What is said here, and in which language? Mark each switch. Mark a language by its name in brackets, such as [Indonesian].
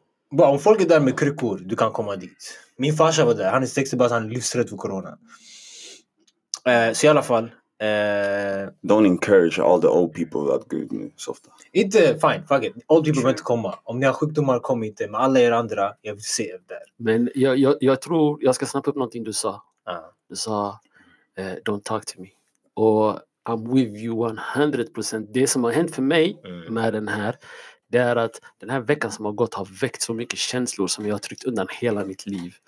[Swedish] Bara om folk är där med kryckor, du kan komma dit. Min farsa var där, han är 60, bara han är livsrädd för corona. Så i alla fall. [English] Don't encourage all the old people that good news ofta. [Swedish] Inte, fine, fuck it. [English] Old people [Swedish] behöver inte komma. Om ni har sjukdomar, kom inte. Men alla er andra, jag vill se er där. Men jag tror, jag ska snappa upp någonting du sa. Du sa, [English] don't talk to me. [Swedish] Och [English] I'm with you 100%. [Swedish] Det som har hänt för mig med den här, det är att den här veckan som har gått har väckt så mycket känslor som jag har tryckt undan hela mitt liv.